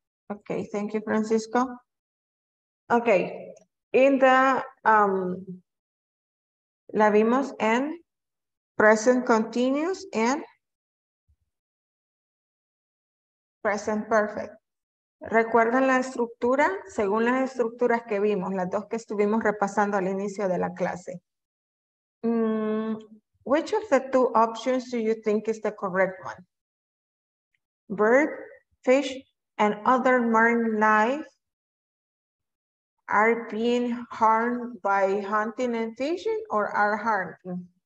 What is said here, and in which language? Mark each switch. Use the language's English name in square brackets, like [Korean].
[English] Okay, thank you, Francisco. Okay, in the, [Spanish] la vimos en [English] present continuous and present perfect. [Spanish] ¿Recuerdan la estructura? Según las estructuras que vimos, las dos que estuvimos repasando al inicio de la clase. [English] Which of the two options do you think is the correct one? Bird, fish, and other marine life are being harmed by hunting and fishing or are harmed?